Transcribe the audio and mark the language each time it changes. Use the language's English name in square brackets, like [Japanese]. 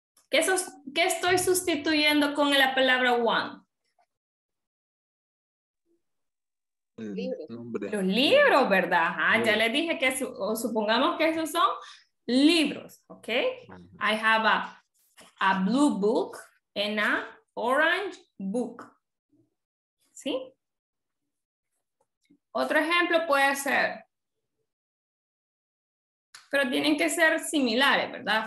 [Spanish] ¿Qué estoy sustituyendo con la palabra one? Los libros, ¿verdad? Ajá, libros. Ya les dije que supongamos que esos son libros, ¿ok? [English] I have a blue book and a orange book. [Spanish] ¿Sí? Otro ejemplo puede ser, pero tienen que ser similares, ¿verdad?